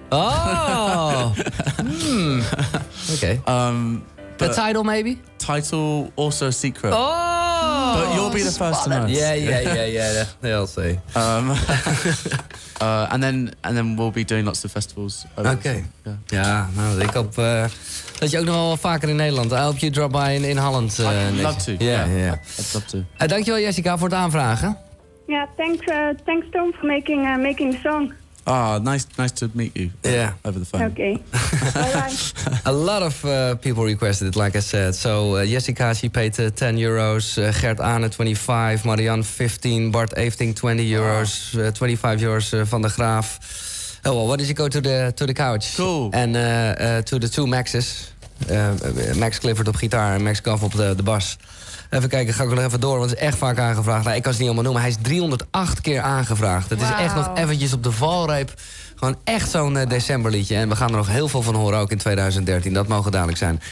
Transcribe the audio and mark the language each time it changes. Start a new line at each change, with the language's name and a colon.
English: Oh! Okay. But the title, maybe? Title, also secret. Oh! But you'll be the first to know. Yeah. They'll see. And then we'll be doing lots of festivals.
Dutch: Ik hoop dat je ook nog wel vaker in Nederland.
English: I hope you drop by in Holland. I'd love to. Yeah.
Dutch: Dankjewel Jessica voor het aanvragen.
English: Thanks Tom for making the song. Ah, nice to meet you. Yeah. Over the phone. Okay. A lot of people requested it, like I said. So Jessica, she paid €10. Gert Aane, 25. Marianne, 15. Bart Eefting, €20. 25 euros Van der Graaf. Oh, well, why don't you go to the couch? Cool. And to the two Maxes.
Dutch: Max Clifford op gitaar en Max Goff op de bas. Even kijken, ga ik nog even door, want het is echt vaak aangevraagd. Nou, ik kan ze niet allemaal noemen, hij is 308 keer aangevraagd. Het is echt nog eventjes op de valreep. Gewoon echt zo'n decemberliedje. En we gaan er nog heel veel van horen, ook in 2013. Dat mogen duidelijk zijn.